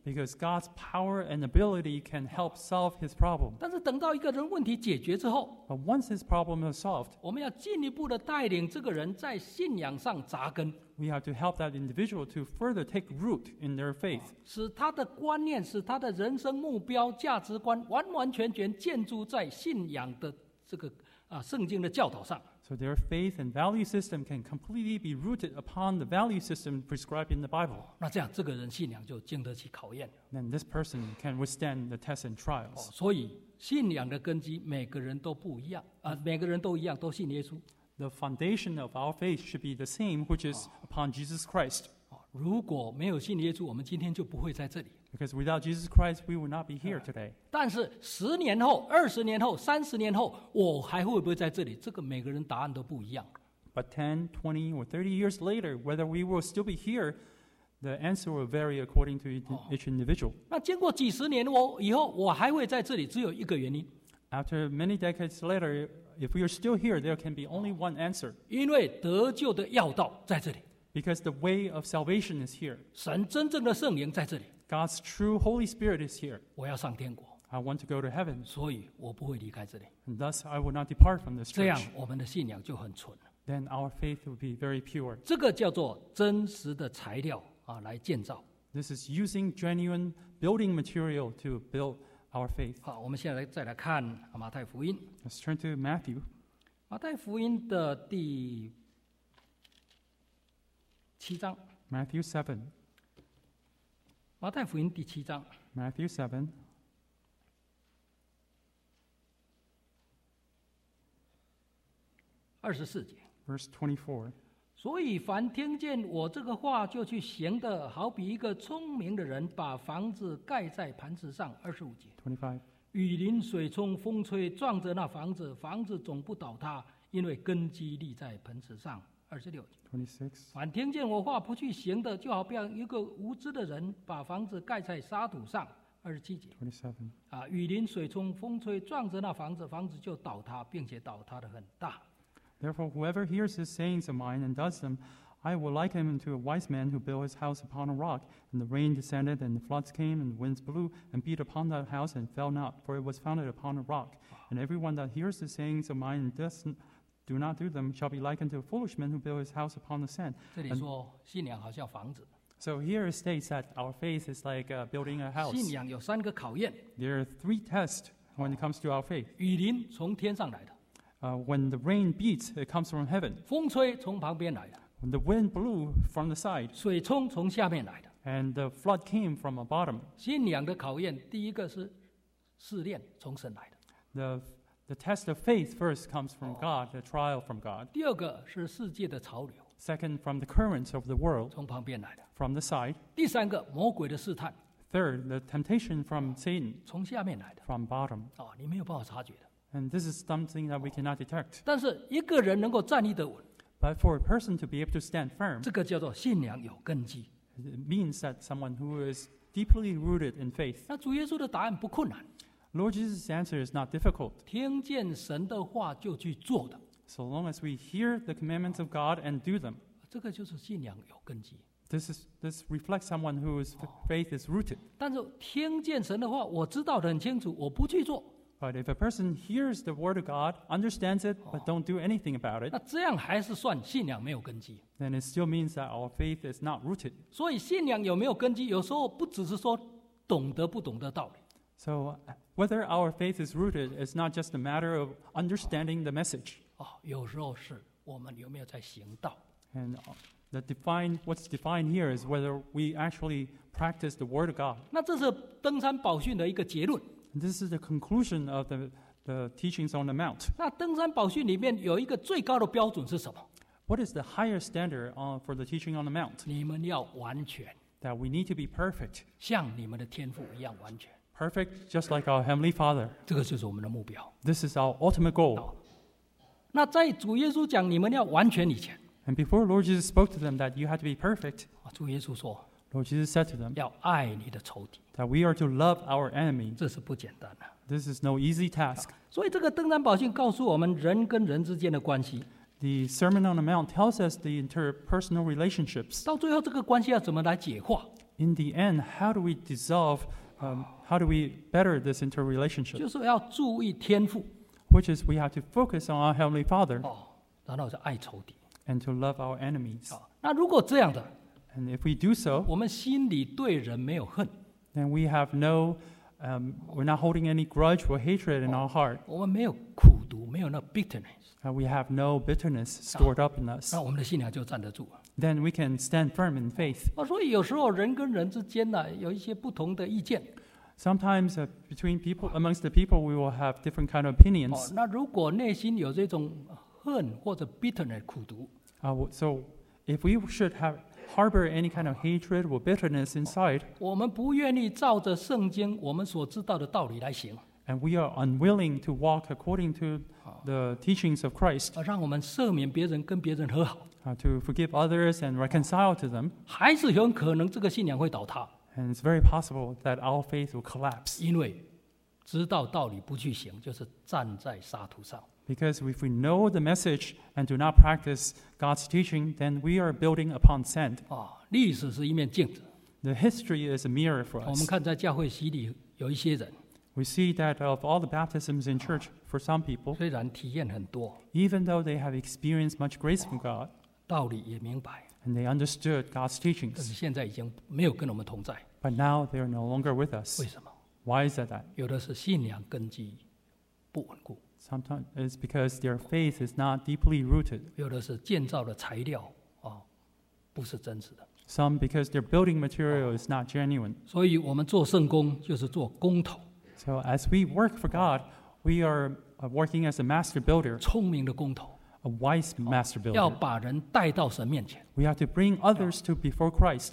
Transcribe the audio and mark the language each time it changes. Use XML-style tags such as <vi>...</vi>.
<en>Because God's power and ability can help solve his problem.</en> <zh>但是等到一个人问题解决之后，</zh> <en>But once his problem is solved,</en> <zh>我们要进一步的带领这个人在信仰上扎根。</zh> <en>We have to help that individual to further take root in their faith.</en> <zh>使他的观念，使他的人生目标、价值观完完全全建筑在信仰的这个圣经的教导上。</zh> <en>So their faith and value system can completely be rooted upon the value system prescribed in the Bible.</en> <zh>那这样，这个人信仰就经得起考验。</zh> <en>Then this person can withstand the tests and trials.</en> <zh>所以信仰的根基每个人都不一样，每个人都一样，都信耶稣。</zh> <en>The foundation of our faith should be the same, which is upon Jesus Christ.</en> <zh>如果没有信耶稣，我们今天就不会在这里。</zh> <en>Because without Jesus Christ, we would not be here today.</en> <zh>但是十年后、二十年后、三十年后，我还会不会在这里？这个每个人答案都不一样。</zh> <en>But 10, 20, or 30 years later, whether we will still be here, the answer will vary according to each individual.</en> <zh>那经过几十年以后，我还会在这里，只有一个原因。</zh> <en>After many decades later, if we are still here, there can be only one answer.</en> <zh>因为得救的要道在这里。</zh> <en>Because the way of salvation is here.</en> <zh>神真正的圣灵在这里。</zh> <en>God's true Holy Spirit is here.</en> <zh>我要上天国。</zh> <en>I want to go to heaven.</en> <zh>所以我不会离开这里。</zh> <en>And thus, I will not depart from this church.</en> <zh>这样我们的信仰就很纯。</zh> <en>Then our faith will be very pure.</en> <zh>这个叫做真实的材料来建造。</zh> <en>This is using genuine building material to build our faith.</en> <zh>好，我们现在再来看马太福音。</zh> <en>Let's turn to Matthew.</en> <zh>马太福音的第七章。</zh> <en>Matthew 7.</en> <zh>马太福音第七章</zh> <en>Matthew 7</en> <zh>24节</zh> <en>Verse 24</en> <zh>所以凡听见我这个话就去行的好比一个聪明的人把房子盖在磐石上25节 25 雨淋水冲风吹撞着那房子，房子总不倒塌，因为根基立在磐石上。 26 凡听见我话不去行的，就好像一个无知的人把房子盖在沙土上。 27雨淋水冲风吹撞着那房子，房子就倒塌，并且倒塌得很大。</zh> <en>Therefore, whoever hears his sayings of mine and does them, I will liken him to a wise man who built his house upon a rock, and the rain descended, and the floods came, and the winds blew, and beat upon that house, and fell not, for it was founded upon a rock. And everyone that hears the sayings of mine and does do not do them shall be likened to a foolish man who built his house upon the sand.</en> <zh>这里说信仰好像房子。</zh> <en>So here it states that our faith is like building a house.</en> <zh>信仰有三个考验。</zh> <en>There are three tests when it comes to our faith.</en> <zh>雨淋从天上来的。</zh> <en>When the rain beats, it comes from heaven.</en> <zh>风吹从旁边来的。</zh> <en>When the wind blew from the side.</en> <zh>水冲从下面来的。</zh> <en>And the flood came from the bottom.</en> <zh>信仰的考验，第一个是试炼从神来的。</zh> <en>The test of faith first comes from God, the trial from God.</en> <zh>第二个是世界的潮流。</zh> <en>Second, from the currents of the world.</en> <zh>从旁边来的。</zh> <en>From the side.</en> <zh>第三个，魔鬼的试探。</zh> <en>Third, the temptation from Satan.</en> <zh>从下面来的。</zh> <en>From bottom.</en> <zh>你没有办法察觉的。</zh> <en>And this is something that we cannot detect.</en> <zh>但是一个人能够站立得稳。</zh> <en>But for a person to be able to stand firm.</en> <zh>这个叫做信仰有根基。</zh> <en>It means that someone who is deeply rooted in faith.</en> <zh>那主耶稣的答案不困难。</zh> <en>Lord Jesus' answer is not difficult.</en> <zh>听见神的话就去做的。</zh> <en>So long as we hear the commandments of God and do them.</en> <zh>这个就是信仰有根基。</zh> <en>This reflects someone whose faith is rooted.</en> <zh>但是听见神的话，我知道得很清楚，我不去做。</zh> <en>But if a person hears the word of God, understands it, but don't do anything about it,</en> <zh>那这样还是算信仰没有根基。</zh> <en>Then it still means that our faith is not rooted.</en> <zh>所以信仰有没有根基，有时候不只是说懂得不懂得道理。</zh> <en>So whether our faith is rooted is not just a matter of understanding the message.</en> <zh>有时候是我们有没有在行道。</zh> <en>And what's defined here is whether we actually practice the word of God.</en> <zh>那这是登山宝训的一个结论。</zh> <en>This is the conclusion of the teachings on the mount.</en> <zh>那登山宝训里面有一个最高的标准是什么？</zh> <en>What is the higher standard for the teaching on the mount?</en> <zh>你们要完全。</zh> <en>That we need to be perfect.</en> <zh>像你们的天父一样完全。</zh> <en>Perfect, just like our Heavenly Father.</en> <zh>这个就是我们的目标。</zh> <en>This is our ultimate goal.</en> <zh>那在主耶稣讲你们要完全以前。</zh> <en>And before Lord Jesus spoke to them that you had to be perfect.</en> <zh>主耶稣说。</zh> <en>Lord Jesus said to them,</en> <zh>要爱你的仇敌。</zh> <en>That we are to love our enemy.</en> <zh>这是不简单的。</zh> <en>This is no easy task.</en> <zh>所以这个登山宝训告诉我们人跟人之间的关系。</zh> <en>The Sermon on the Mount tells us the interpersonal relationships.</en> <zh>到最后这个关系要怎么来解化。</zh> <en>In the end, how do we dissolve, how do we better this interrelationship?</en> <zh>就是要注意天父。</zh> <en>Which is we have to focus on our Heavenly Father.</en> <zh>然后是爱仇敌。</zh> <en>And to love our enemies.</en> <zh>那如果这样的。</zh> <en>And if we do so,</en> <zh>我们心里对人没有恨。</zh> <en>Then we have no, we're not holding any grudge or hatred in our heart.</en> <zh>我们没有苦毒，没有那 bitterness.</zh> <en>And we have no bitterness stored up in us.</en> <zh>那我们的信仰就站得住。</zh> <en>Then we can stand firm in faith.</en> <zh>所以有时候人跟人之间呢，有一些不同的意见。</zh> <en>Sometimes between people, amongst the people, we will have different kind of opinions.</en> <zh>那如果内心有这种恨或者 bitterness 苦毒。</zh> <en>So if we should have harbor any kind of hatred or bitterness inside.</en> <zh>我们不愿意照着圣经我们所知道的道理来行。</zh> <en>And we are unwilling to walk according to the teachings of Christ.</en> <zh>让我们赦免别人跟别人和好。</zh> <en>To forgive others and reconcile to them.</en> <zh>还是很可能这个信仰会倒塌。</zh> <en>And it's very possible that our faith will collapse.</en> <zh>因为知道道理不去行就是站在沙土上。</zh> <en>Because if we know the message and do not practice God's teaching, then we are building upon sand.</en> <zh>历史是一面镜子。</zh> <en>The history is a mirror for us.</en> <zh>我们看在教会洗礼有一些人。</zh> <en>We see that of all the baptisms in church, for some people,</en> <zh>虽然体验很多。</zh> <en>Even though they have experienced much grace from God,</en> <zh>道理也明白。</zh> <en>And they understood God's teachings.</en> <zh>但是现在已经没有跟我们同在。</zh> <en>But now they are no longer with us.</en> <zh>为什么？</zh> <en>Why is that?</en> <zh>有的是信仰根基不稳固。</zh> <en>Sometimes it's because their faith is not deeply rooted.</en> <zh>有的是建造的材料不是真实的。</zh> <en>Some because their building material is not genuine.</en> <zh>所以我们做圣工就是做工头。</zh> <en>So as we work for God, we are working as a master builder.</en> <zh>聪明的工头。</zh> <en>A wise master builder.</en> <zh>要把人带到神面前。</zh> <en>We have to bring others to before Christ.</en>